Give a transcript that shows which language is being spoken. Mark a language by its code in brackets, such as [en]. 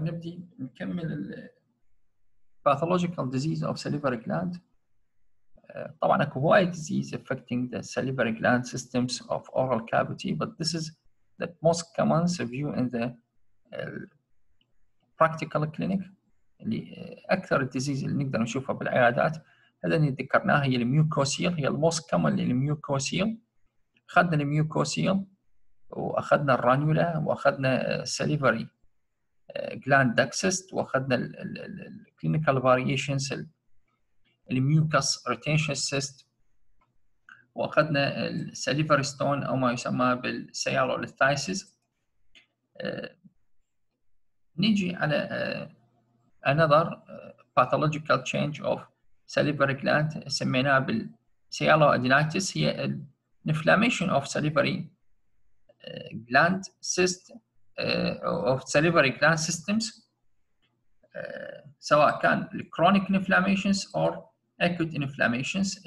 [ar] نبدي نكمل ال [en] pathological disease of salivary gland. [ar] طبعا اكو هواي [en] disease affecting the salivary gland systems of oral cavity, but this is the most common view in the practical clinic. [ar] اللي اكثر الديزيز اللي نقدر نشوفها بالعيادات هذا اللي ذكرناه, هي الميوكوسيل, هي [en] الموست كومن [ar] للميوكوسيل. اخذنا الميوكوسيل واخذنا الرانولا واخذنا السليفري جلاند داكسست واخذنا الكلينيكال فاريشنز الميوكس ريتينشن سيست واخذنا السليفري ستون او ما يسمى بالسيالوليثايسيس. نيجي على [en] another pathological change of salivary gland [ar] سميناها بالسيالوادينيتس, هي [en] inflammation of salivary gland cyst of salivary gland systems, [ar] سواء كان [en] chronic inflammations or acute inflammations.